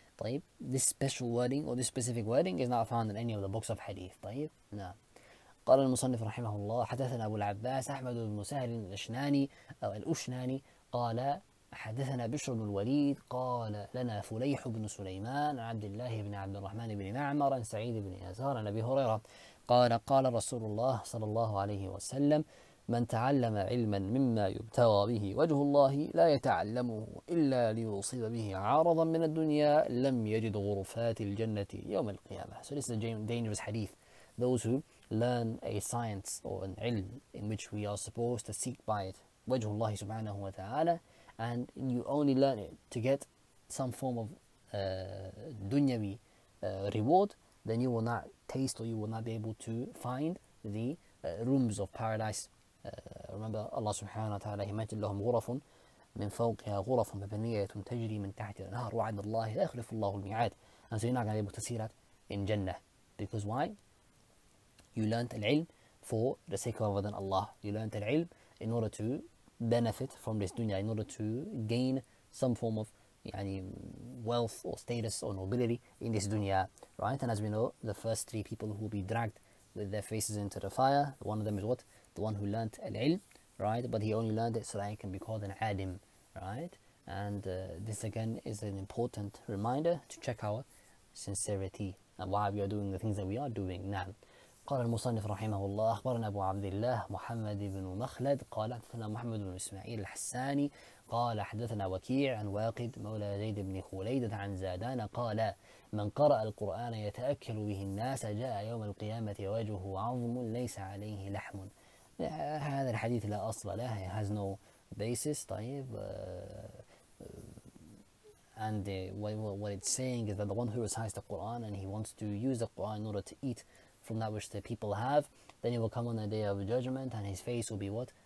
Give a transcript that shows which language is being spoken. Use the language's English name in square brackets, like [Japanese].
[Arabic] طيب, [English] this special wording or this specific wording is not found in any of the books of hadith. [Arabic] طيب, [English] no. [Arabic] قال المصنف رحمه الله: حدثنا أبو العباس أحمد بن سهل الأشناني أو الأشناني قال حدثنا بشر بن الوليد قال لنا فليح بن سليمان عبد الله بن عبد الرحمن بن معمر عن سعيد بن يسار عن أبي هريرة قال: قال رسول الله صلى الله عليه وسلم: من تعلم علما مما يبتغى به وجه الله لا يتعلمه إلا ليصيب به عارضا من الدنيا لم يجد غرفات الجنة يوم القيامة. [English] So this is a dangerous hadith. Those who learn a science or an علم in which we are supposed to seek by it [Arabic] وجه الله سبحانه وتعالى, [English] and you only learn it to get some form of dunyawi reward, then you will not taste or you will not be able to find the rooms of paradise. Remember Allah subhanahu wa ta'ala, he mentioned [Arabic] لهم غرف من فوقها غرف مبنية تجري من تحت الأنهار وعد الله لا يخلف الله الميعاد. [English] And so you're not going to be able to see that in Jannah. Because why? You learned العلم for the sake of other than Allah. You learned العلم in order to benefit from this dunya, in order to gain some form of يعني wealth or status or nobility in this dunya, right? And as we know, the first three people who will be dragged with their faces into the fire, one of them is what? The one who learnt al-ilm, right? But he only learned it so that he can be called an adim, right? And this again is an important reminder to check our sincerity and why we are doing the things that we are doing. Now, [Arabic] قال المصنف رحمه الله: أخبرنا أبو عبد الله محمد بن مخلد قال حدثنا محمد بن إسماعيل الحساني قال حدثنا وكيع عن واقد مولى زيد بن خليدة عن زادان قال: من قرأ القرآن يتأكل به الناس جاء يوم القيامة وجهه عظم ليس عليه لحم. هذا الحديث لا أصل له, [English] it has no basis. [Arabic] طيب, [English] And what it's saying is that the one who recites the Quran and he wants to use the Quran in order to eat from that which the people have, then he will come on the day of judgment and his face will be what?